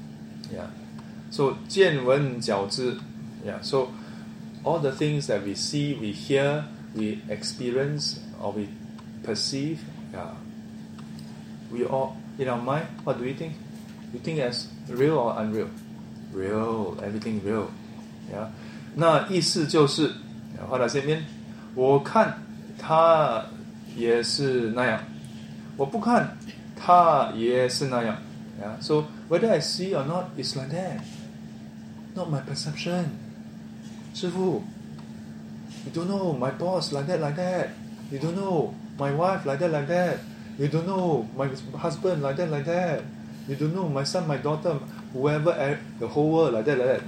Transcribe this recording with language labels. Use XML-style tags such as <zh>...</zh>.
<zh>我们对所看见、所听闻、所觉悟到的一切，都认为是真实的。</zh> <en>Yeah. So,</en> <zh>见闻角知.</zh> <en>Yeah. So, all the things that we see, we hear, we experience, or we perceive, yeah, we all, in our mind, what do we think? We think as real or unreal? Real, everything real. Yeah.</en> <zh>那意思就是,</zh> <en>what does it mean?</en> <zh>我看他也是那样。我不看他也是那样。</zh> <en>Yeah? So whether I see or not, it's like that. Not my perception. 师父, you don't know my boss like that, like that. You don't know my wife like that, like that. You don't know my husband like that, like that. You don't know my son, my daughter, whoever, the whole world like that, like that.</en>